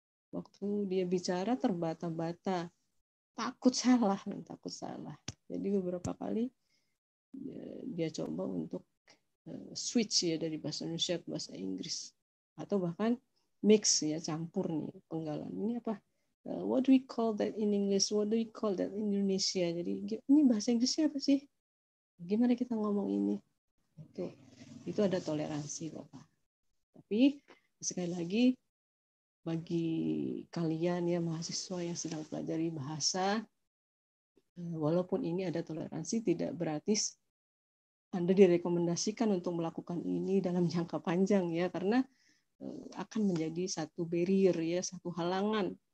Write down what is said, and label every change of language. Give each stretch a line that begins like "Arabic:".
Indonesian: Waktu dia bicara terbata-bata. Takut salah. Jadi beberapa kali dia coba untuk switch ya dari bahasa Indonesia ke bahasa Inggris. Atau bahkan mix ya, campur nih penggalan. Ini apa?
English: What do we call that in English? What do we call that in Indonesia?
Indonesian: Jadi ini bahasa Inggrisnya apa sih? Gimana kita ngomong ini? Itu ada toleransi kok, Pak. Tapi sekali lagi, bagi kalian ya mahasiswa yang sedang pelajari bahasa, walaupun ini ada toleransi, tidak berarti Anda direkomendasikan untuk melakukan ini dalam jangka panjang ya, karena akan menjadi satu barrier ya, satu halangan.